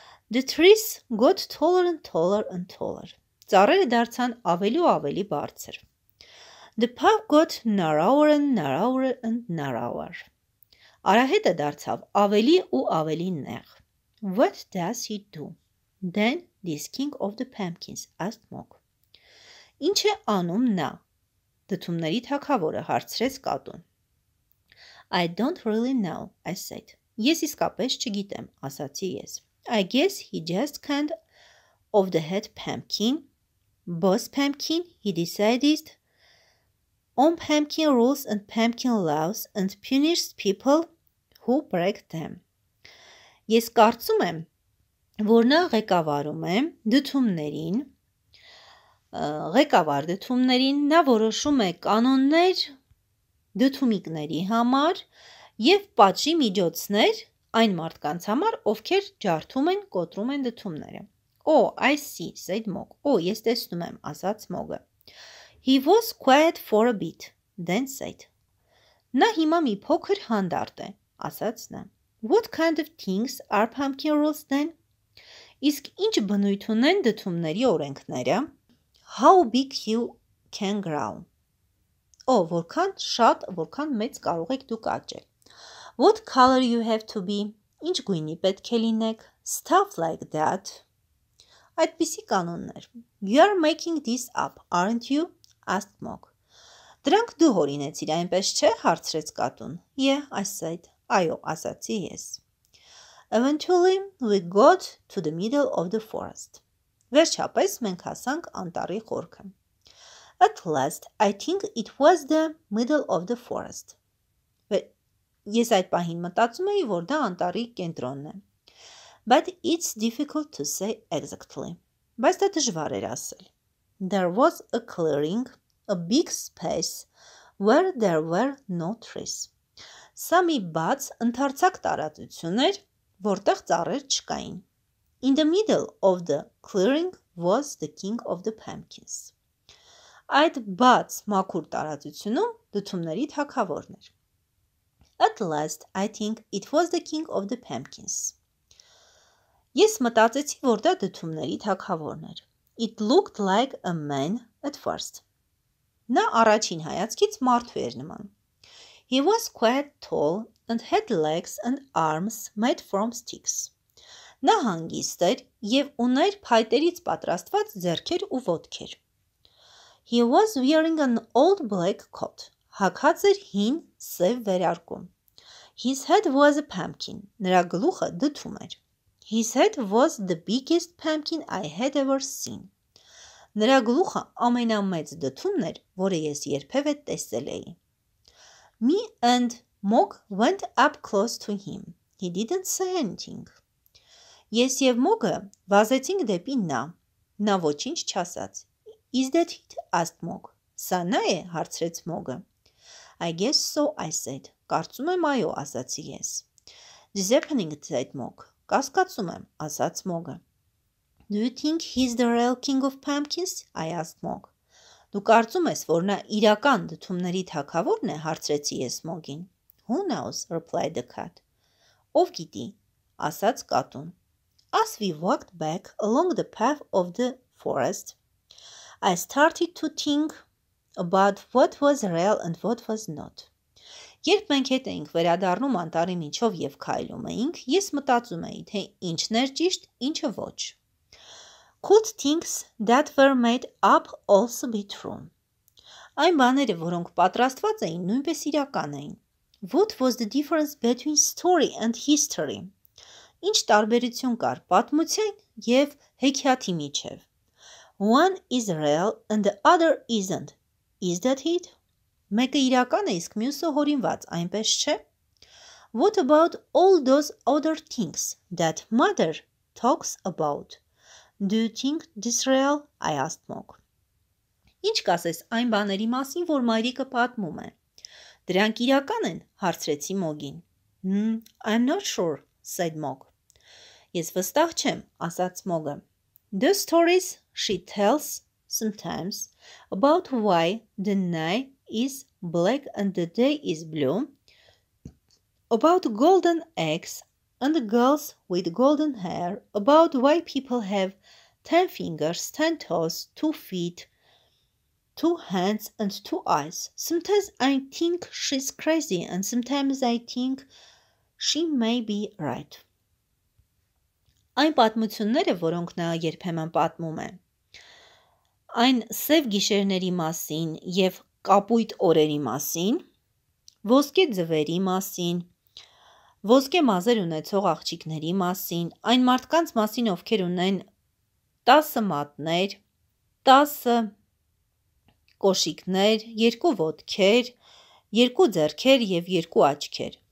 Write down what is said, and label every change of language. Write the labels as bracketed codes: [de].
[en] The trees got taller and taller and taller. [hy] Ծառերը դարձան ավելի ու ավելի բարձր. [en] The path got narrower and narrower and narrower. [hy] Արահետը դարձավ ավելի ու ավելի նեղ. [en] What does he do? Then this king of the pumpkins asked Mok. [hy] Ինչ է անում նա? Դդումների թագավորը հարցրեց կատուն. [en] I don't really know, I said. [hy] Ես իսկապես չգիտեմ, ասացի ես. [en] I guess he just kind of the head pumpkin. Boss pumpkin, he decided. On pumpkin rules and pumpkin laws and punishes people who break them. [hy] Ես կարծում եմ, որ նա ղեկավարում է դդումներին, ղեկավար դդումներին, նա որոշում է կանոններ դդումիկների համար և պատժի միջոցներ այն մարդկանց համար, ովքեր ջարդում են, կոտրում են դդումները. [en] Oh, I see, said Mok. [hy] Oh, ես տեսնում եմ, ասաց Մոգը. [en] He was quiet for a bit, then said. [hy] Նա հիմա մի փոքր հանդարտ է, ասաց նա. [en] What kind of things are pumpkin rules then? [hy] Իսկ ինչ բնույթ ունեն դդումների օրենքները? [en] How big you can grow? [hy] Oh, որքան շատ, որքան մեծ կարող եք դուք աճել. [en] What color you have to be? [hy] Ինչ գույնի պետք է լինեք? [en] Stuff like that. [hy] Այդպիսի կանոններ. [en] You are making this up, aren't you? Asked Mok. [hy] Դրանք դու հորինեցիր, այնպես չէ, հարցրեց կատուն. [en] Yeah, I said. [hy] Այո, ասացի ես. [en] Eventually, we got to the middle of the forest. [hy] Վերջապես մենք հասանք անտառի խորքը. [en] At last, I think it was the middle of the forest. [hy] Ես այդ պահին մտածում էի, որ դա անտառի կենտրոնն է. [en] But it's difficult to say exactly. [hy] Բայց դա դժվար էր ասել. [en] There was a clearing, a big space, where there were no trees. [hy] Սա մի բաց ընդարձակ տարածություն էր, որտեղ ծառեր չկային. [en] In the middle of the clearing was the king of the pumpkins. [hy] Այդ բաց մաքուր տարածությունում դդումների թագավորն էր. [en] At last, I think it was the king of the pumpkins. [hy] Ես մտածեցի, որ դա դդումների թագավորն էր. [en] It looked like a man at first. [hy] Նա առաջին հայացքից մարդու էր նման. [en] He was quite tall and had legs and arms made from sticks. [hy] Նա հանգիստ էր և ուներ փայտերից պատրաստված ձեռքեր ու ոտքեր. [en] He was wearing an old black coat. [hy] Հագած էր հին սև վերարկուն. [en] His head was a pumpkin. [hy] Նրա գլուխը դդում էր. [en] His head was the biggest pumpkin I had ever seen. [hy] Նրա գլուխը ամենամեծ դդումն էր, որը ես երբևէ տեսել էի. [en] Me and Mok went up close to him. He didn't say anything. [hy] Ես և Մոգը վազեցինք դեպի նա. Նա ոչինչ չասաց. [en] Is that it? Asked Mok. [hy] Սա նա է, հարցրեց Մոգը. [en] I guess so, I said. [hy] Կարծում եմ այո, ասացի ես. [en] This happening, said Mok. [hy] Կասկացում եմ, ասաց Մոգը. [en] Do you think he's the real king of pumpkins? I asked Mok. [hy] Դու կարծում ես, որ նա իրական դդումների թագավորն է, հարցրեցի ես Մոգին. [en] Who knows, replied the cat. [hy] Ով գիտի, ասաց կատուն. [en] As we walked back along the path of the forest, I started to think about what was real and what was not. [hy] Երբ մենք հետ էինք վերադառնում անտառի միջով և քայլում էինք, ես մտածում էի, թե ինչն էր ճիշտ, ինչը ոչ. [en] Could things that were made up also be true? [hy] Այն բաները, որոնք պատրաստված էին, նույնպես իրական էին. [en] What was the difference between story and history? [hy] Ինչ տարբերություն կար պատմության և հեքիաթի միջև? [en] One is real and the other isn't. Is that it? [hy] Մեկը իրական է, իսկ մյուսը հորինված, այնպես չէ? [en] What about all those other things that mother talks about? Do you think this real? I asked Mok. [hy] Ինչ կասես այն բաների մասին, որ մայրիկը պատմում է? Դրանք իրական են, հարցրեցի Մոգին։ [en] I'm not sure, said Mog. [hy] Ես վստահ չեմ, ասաց Մոգը։ [en] The stories she tells sometimes about why the night is black and the day is blue, about golden eggs and the girls with golden hair, about why people have 10 fingers, 10 toes, 2 feet, 2 hands and 2 eyes. Sometimes I think she's crazy and sometimes I think she may be right. [hy] Այն պատմությունները, որոնք նա երբեմն պատմում է, այն սև գիշերների մասին և կապույտ օրերի մասին, ոսկե ձվերի մասին, ոսկե մազեր ունեցող աղջիկների մասին, այն մարդկանց մասին, ովքեր ունեն 10 մատներ, 10 կոշիկներ, 2 ոտքեր, 2 ձեռքեր և 2 աչքեր.